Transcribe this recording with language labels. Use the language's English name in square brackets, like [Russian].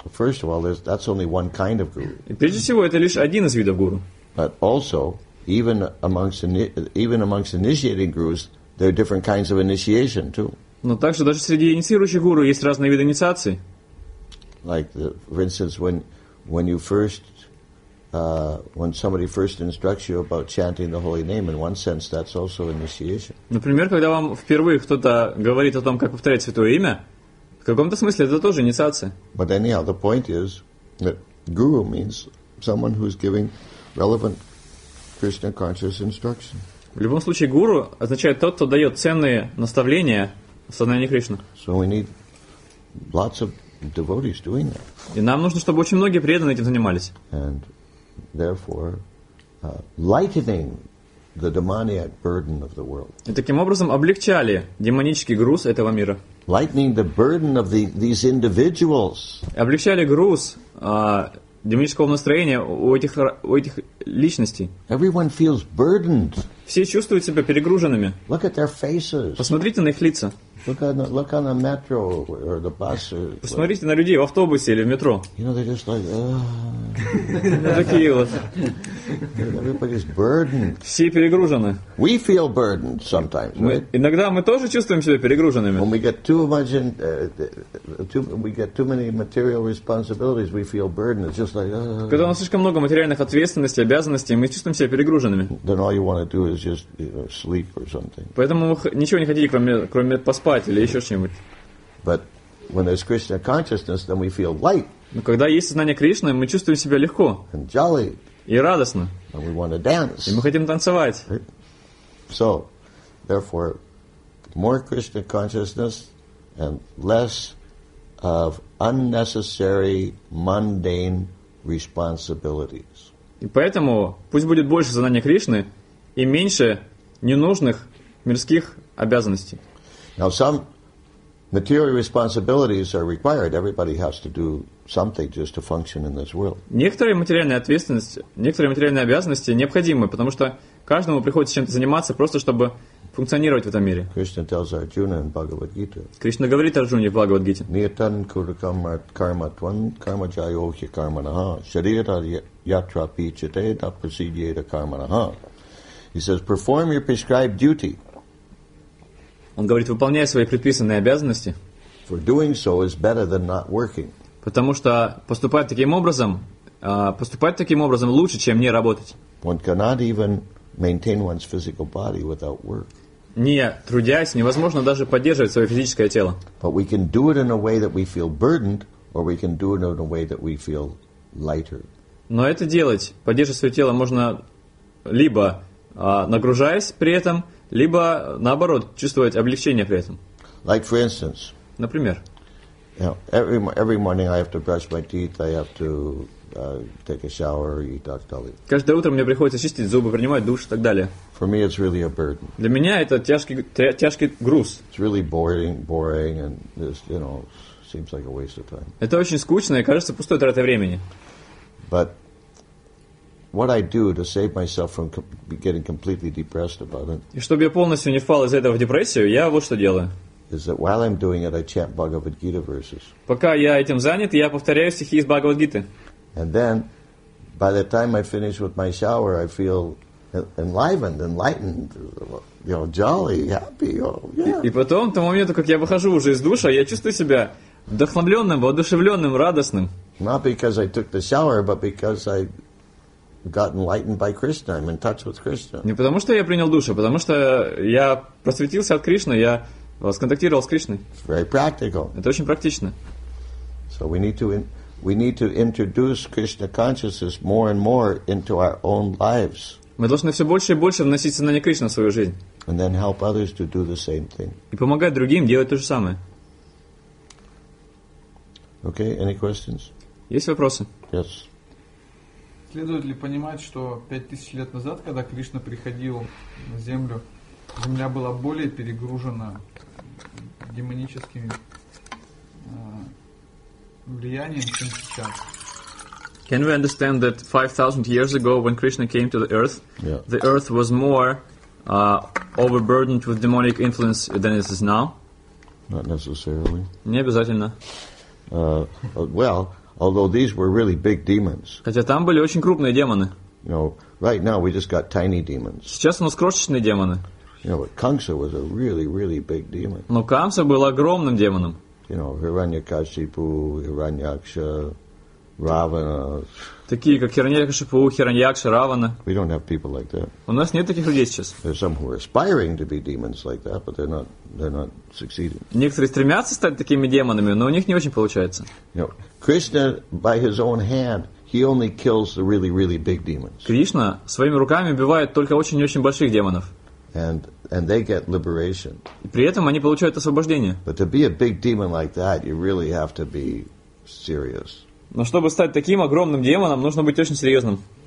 [English] First of all, that's only one kind of guru. [Russian] И прежде всего, это лишь один из видов гуру. [English] But also, even amongst initiating gurus, there are different kinds of initiation too. [Russian] Но также даже среди инициирующих гуру есть разные виды инициации. [English] Like for instance, when somebody first instructs you about chanting the holy name, in one sense, that's also initiation. [Russian] Например, когда вам впервые кто-то говорит о том, как повторять святое имя, в каком-то смысле это тоже инициация. [English] But anyhow, the point is that guru means someone who's giving relevant Krishna conscious instruction. [Russian] В любом случае, гуру означает тот, кто дает ценные наставления в сознании Кришны. [English] So we need lots of devotees doing that. [Russian] И нам нужно, чтобы очень многие преданные этим занимались. [English] And therefore, lightening the demoniac burden of the world. [Russian] И таким образом облегчали демонический груз этого мира. [English] Lightening the burden of these individuals. [Russian] Облегчали груз демонического настроения у этих личностей. [English] Everyone feels burdened. [Russian] Все чувствуют себя перегруженными. [English] Look at their faces. [Russian] Посмотрите на их лица. [English] Look on the metro or the bus. [Russian] Посмотрите на людей в автобусе или в метро. [English] You know, they're just like, [Russian] такие вот. [English] Everybody's burdened. [Russian] Все перегружены. [English] We feel burdened sometimes, right? [Russian] Иногда мы тоже чувствуем себя перегруженными. [English] When we get too many material responsibilities, we feel burdened. It's just like, [Russian] когда у нас слишком много материальных ответственностей, обязанностей, мы чувствуем себя перегруженными. [English] Then all you want to do is just, you know, sleep or something. [Russian] Поэтому ничего не хотите, кроме поспать или еще что-нибудь. [English] But when there's Krishna consciousness, then we feel light. [Russian] Но когда есть сознание Кришны, мы чувствуем себя легко. [English] And jolly. [Russian] И радостно. [English] And we want to dance. [Russian] И мы хотим танцевать. [English] Right? So, therefore, more Krishna consciousness and less of unnecessary mundane responsibilities. [Russian] И поэтому пусть будет больше сознания Кришны и меньше ненужных мирских обязанностей. [English] Now some material responsibilities are required. Everybody has to do something just to function in this world. [Russian] Некоторые материальные ответственности, некоторые материальные обязанности необходимы, потому что каждому приходится чем-то заниматься просто чтобы функционировать в этом мире. [English] Krishna tells Arjuna in Bhagavad Gita. [Russian] Кришна говорит Арджуне в Бхагавад Гите. [Sanskrit] Niyatan kurukam karma tvam karma jayohi karmanah sharira yatra pichate na prasidyeta karmanah. [English] He says, perform your prescribed duty. [Russian] Он говорит, выполняя свои предписанные обязанности. [English] For doing so is better than not working. [Russian] Потому что поступать таким образом лучше, чем не работать. [English] One cannot even maintain one's physical body without work. [Russian] Не трудясь, невозможно даже поддерживать свое физическое тело. [English] But we can do it in a way that we feel burdened, or we can do it in a way that we feel lighter. [Russian] Но это делать, поддерживать свое тело, можно либо нагружаясь при этом, либо наоборот, чувствовать облегчение при этом. [English] Like for instance. [Russian] Например. [English] You know, every morning I have to brush my teeth, I have to take a shower, eat dak dali. [Russian] Каждое утро мне приходится чистить зубы, принимать душ и так далее. [English] For me it's really a burden. [Russian] Для меня это тяжкий груз. [English] It's really boring and this, you know, seems like a waste of time. [Russian] Это очень скучно и кажется пустой тратой времени. [English] But what I do to save myself from getting completely depressed about it. [Russian] И чтобы я полностью не впал из этого в депрессию, я вот что делаю. [English] Is that while I'm doing it, I chant Bhagavad Gita verses. [Russian] Пока я этим занят, я повторяю стихи из Бхагавад Гиты. [English] And then, by the time I finish with my shower, I feel enlivened, enlightened, you know, jolly, happy. Oh, yeah. [Russian] И потом, к тому моменту, как я выхожу уже из душа, я чувствую себя вдохновленным, воодушевленным, радостным. [English] Not because I took the shower, but because I got enlightened by Krishna. I'm in touch with Krishna. [Russian] Не потому что я принял душ, а потому что я просветился от Кришны, я сконтактировал с Кришной. [English] It's very practical. [Russian] Это очень практично. [English] So we need to introduce Krishna consciousness more and more into our own lives. [Russian] Мы должны все больше и больше вносить сознание Кришны в свою жизнь. [English] And then help others to do the same thing. [Russian] И помогать другим делать то же самое. [English] Okay, any questions? [Russian] Есть вопросы? [English] Yes. [Russian] Следует ли понимать, что 5000 лет назад, когда Кришна приходил на землю, земля была более перегружена демоническими влиянием, чем сейчас? [English] Can we understand that 5000 years ago, when Krishna came to the earth, yeah, the earth was more overburdened with demonic influence than it is now? Not necessarily. [Russian] Не обязательно. [English] Well, although these were really big demons. [Russian] Хотя там были очень крупные демоны. [English] You know, right now we just got tiny demons. [Russian] Сейчас у нас крошечные демоны. [English] You know, Kamsa was a really, really big demon. [Russian] Но Камса был огромным демоном. [English] You know, Hiranyakashipu, Hiranyaksha, Ravana. [Russian] Такие как Хираньякшипу, Хираньякша, Равана. [English] We don't have people like that. [Russian] У нас нет таких людей сейчас. [English] There's some who are aspiring to be demons like that, but they're not succeeding. [Russian] Некоторые стремятся стать такими демонами, но у них не очень получается. [English] You know, Krishna by his own hand, he only kills the really, really big demons. [Russian] Кришна своими руками убивает только очень-очень больших демонов. [English] And they get liberation. [Russian] И при этом они получают освобождение. [English] But to be a big demon like that, you really have to be serious. [Russian] Но чтобы стать таким огромным демоном, нужно быть очень серьезным.